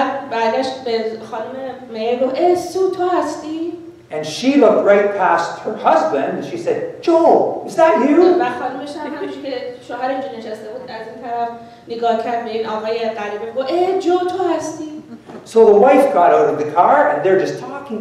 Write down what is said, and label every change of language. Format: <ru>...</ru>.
<fa>بعدش به خانم مایر گفت, ای سو تو هستی؟</fa> <en>And she looked right past her husband and she said, Joe, is that you?</en> <fa>و خانمش هم همیشه که شوهر اینجا نشسته بود از این طرف نگاه کرد به این آقای غریبه گفت, ای جو تو هستی؟</fa> <en>So the wife got out of the car and they're just talking.</en>